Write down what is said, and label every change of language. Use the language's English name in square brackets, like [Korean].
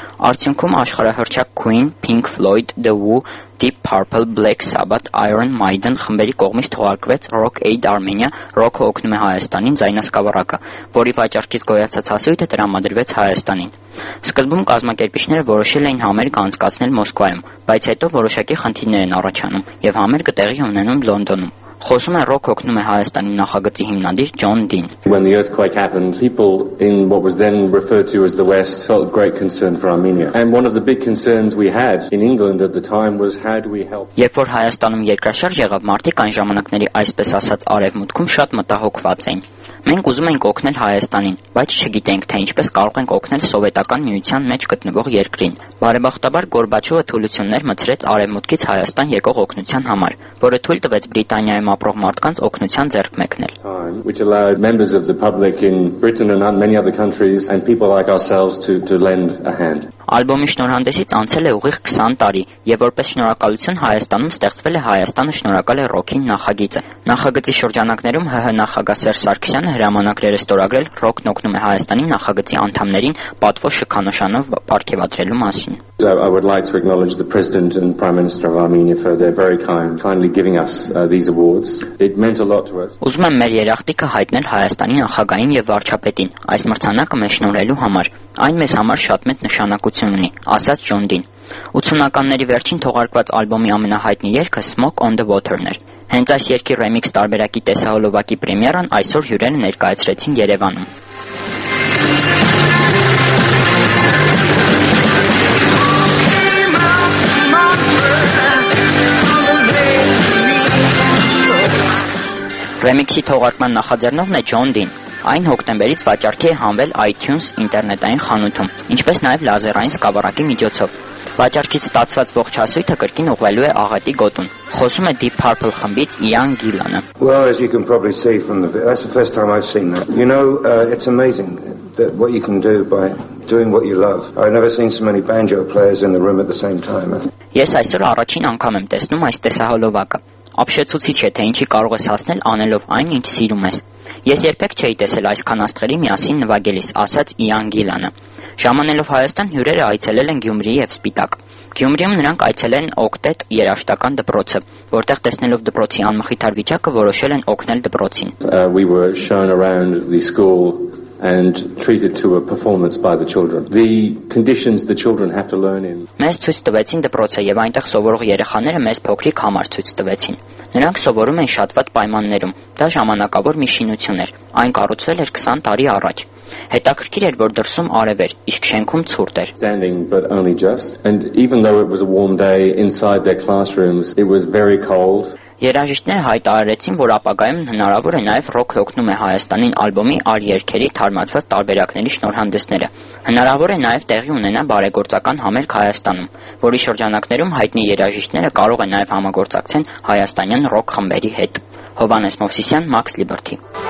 [Armenian] Արդյունքում աշխարհահռչակ Queen, Pink Floyd, The Who, Deep Purple, Black Sabbath, Iron Maiden խմբերի կողմից թողարկվեց Rock Aid Armenia, ռոքը օգնում է Հայաստանին ձայնասկավառակը, որի վաճառքից գոյացած հասույթը տրամադրվեց Հայաստանին։ Սկզբում կազմակերպիչները որոշել էին համերգ անցկացնել Մոսկվայում, բայց հետո որոշակի խնդիրներ են առաջանում եւ համերգը տեղի ունենում Լոնդոնում։ Խոսում է ռոք հոգնում է Հայաստանի նախագծի հիմնադիր Ջոն Դին։ [English] When the earthquake happened, people in what was then referred to as the West felt great concern for Armenia. And one of the big concerns we had in England at the time was how do we help. [Armenian] Երբ որ Հայաստանում երկրաշարժ եղավ, մարդիկ այն ժամանակների այսպես ասած արևմուտքում շատ մտահոգված էին։ Մենք ուզում ենք օգնել Հայաստանին, բայց չգիտենք, թե ինչպես կարող ենք օգնել սովետական միության մեջ գտնվող երկրին։ Բարեբախտաբար Գորբաչովը թուլություններ մտցրեց արևմուտքից Հայաստան եկող օգնության համար, որը թույլ տվեց Բրիտանիայում ապրող մարդկանց օգնության ձեռք մեկնել։ [English] Which allowed members of the public in Britain and many other countries and people like ourselves to lend a hand. [Armenian] Ալբոմի շնորհանդեսից անցել է ուղիղ 20 տարի, եւ որպես շնորհակալություն Հայաստանում ստեղծվել է Հայաստանը շնորհակալ է ռոքին նախագիծը։ Նախագծի շրջանակներում ՀՀ նախագահ Սերժ Սարգսյանը հրամանագրեր է ստորագրել ռոքն օգնում է Հայաստանի նախագծի անդամներին պատվո շքանշանով ապարգևատրելու մասին։ [English] So I would like to acknowledge the President and Prime Minister of Armenia for their very kindly giving us these awards. It meant a lot to us. [Armenian] Ուզում եմ մեր երախտիկը հայտնել Հայաստանի նախագահին եւ վարչապետին այս մրցանակը մեզ շնորհելու համար։ Այն մեզ համար շատ մեծ նշանակություն ունի, ասաց Ջոն Դին։ 80-ականների վերջին թողարկված ալբոմի ամենահայտնի երգը Smoke on the Water-ն էր։ Հենց այս երգի ռեմիքս տարբերակի տեսահոլովակի պրեմիերան այսօր հյուրերը ներկայացրեցին Երևանում։ Ռեմիքսի թողարկման նախաձեռնողն է Ջոն Դին։ Այն հոկտեմբերից վաճարքի է հանվել iTunes ինտերնետային խանութում, ինչպես նաև լազերային սկավառակի միջոցով։ Վաճարքից ստացված ողջ հասույթը կրկին ուղղվելու է աղետի գոտուն։ Խոսում է Deep Purple խմբից Իան Գիլանը։ [English] Well, as you can probably see from the video, that's the first time I've seen that. You know, it's amazing that what you can do by doing what you love. I've never seen so many banjo players in the room at the same time. [Armenian] Ես այսօր առաջին անգամ եմ տեսնում այս տեսահոլովակը։ Ապշեցուցիչ է, թե ինչի կարող ես հասնել անելով այն, ինչ սիրում ես։ Ես երբեք չէի տեսել այսքան աստղերի միասին նվագելիս, ասաց Իան Գիլանը։ Ժամանելով Հայաստան, հյուրերը այցելել են Գյումրի եւ Սպիտակ։ Գյումրիում նրանք այցելեն օկտետ երաժշտական դպրոցը, որտեղ տեսնելով դպրոցի անմխիթար վիճակը որոշել են օգնել դպրոցին։ [English] We were shown around the school and treated to a performance by the children. The conditions the children have to learn in. [Armenian] Մեզ ցույց տվեցին դպրոցը եւ այնտեղ սովորող երեխաները մեզ փոքրիկ համար ցույց տվեցին։ Նրանք սովորում են շատ վատ պայմաններում։ Դա ժամանակավոր մի շինություն էր։ Այն կառուցվել էր 20 տարի առաջ։ Հետաքրքիր էր, որ դրսում արև էր, իսկ շենքում ցուրտ էր։ [English] Standing but only just, and even though it was a warm day inside their classrooms, it was very cold. [Armenian] Երաժիշտները հայտարարեցին, որ ապագայում հնարավոր է նաև ռոք հոգնում է Հայաստանին ալբոմի ար երգերի թարմացված տարբերակների շնորհանդեսները։ Հնարավոր է նաև տեղի ունենա բարեգործական համերգ Հայաստանում, որի շրջանակներում հայտնի երաժիշտները կարող են նաև համագործակցեն հայաստանյան ռոք խմբերի հետ։ Հովանես Մովսիսյան, Max Liberty։